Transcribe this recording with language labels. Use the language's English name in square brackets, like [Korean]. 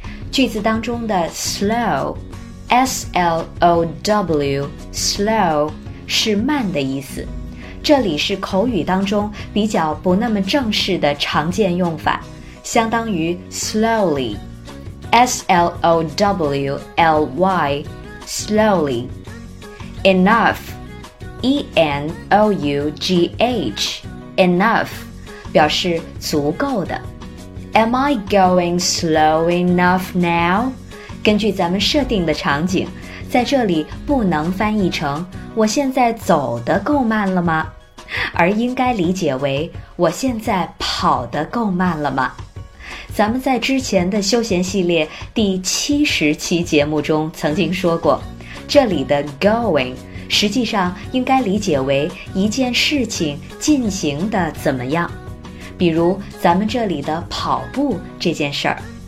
[Chinese] 句子当中的 slow, S-L-O-W, slow, 是慢的意思。这里是口语当中比较不那么正式的常见用法，相当于 slowly, S-L-O-W-L-Y, slowly. Enough, E-N-O-U-G-H, enough, 表示足够的。 [English] Am I going slow enough now? [Chinese] 根据咱们设定的场景，在这里不能翻译成我现在走得够慢了吗，而应该理解为我现在跑得够慢了吗。咱们在之前的休闲系列第70期节目中曾经说过，这里的 going 实际上应该理解为一件事情进行的怎么样，比如咱们这里的跑步这件事儿。